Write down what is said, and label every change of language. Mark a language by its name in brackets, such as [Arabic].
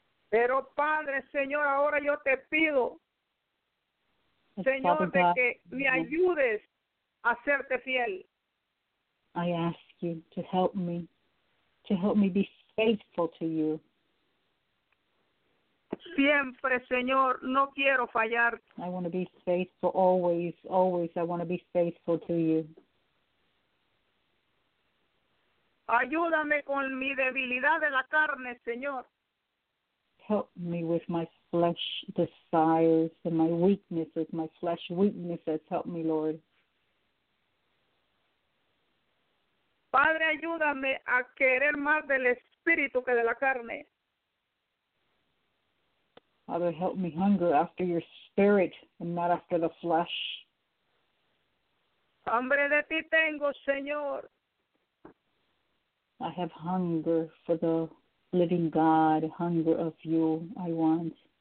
[Spanish] Pero, Padre, Señor, ahora yo te pido, Señor, de que me ayudes a serte fiel. [English] I ask you to help me be faithful to you. [Spanish] Siempre, Señor, no quiero fallar. [English] I want to be faithful always, always. I want to be faithful to you. [Spanish] Ayúdame con mi debilidad de la carne, Señor. [English] Help me with my flesh desires and my weaknesses, my flesh weaknesses. Help me, Lord. [Spanish] Padre, ayúdame a querer más del espíritu que de la carne. [English] Father, help me hunger after your spirit and not after the flesh. [Spanish] Hambre de ti tengo, Señor. [English] I have hunger for the living God, hunger of you I want.